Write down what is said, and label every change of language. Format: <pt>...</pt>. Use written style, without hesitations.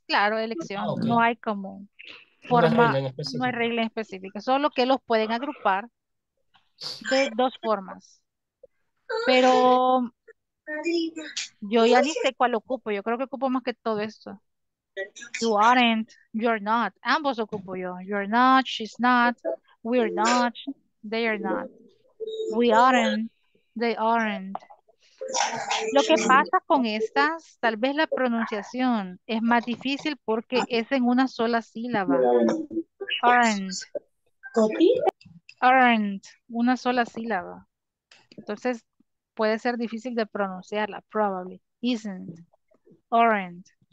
<es>Claro, elección. Ah, okay. No hay como... Forma, no hay regla específica, solo que los pueden agrupar de dos formas. Pero yo ya ni sé cuál ocupo, yo creo que ocupo más que todo esto.</es> <en>You aren't, you're not,</en> <es>ambos ocupo yo.</es> <en>You're not, she's not, we're not, they are not. We aren't, they aren't.</en> <es>Lo que pasa con estas, tal vez la pronunciación es más difícil porque es en una sola sílaba.</es> <en>Aren't. Aren't.</en> <es>Una sola sílaba. Entonces puede ser difícil de pronunciarla,</es> <en>probably. Isn't. Aren't.</en>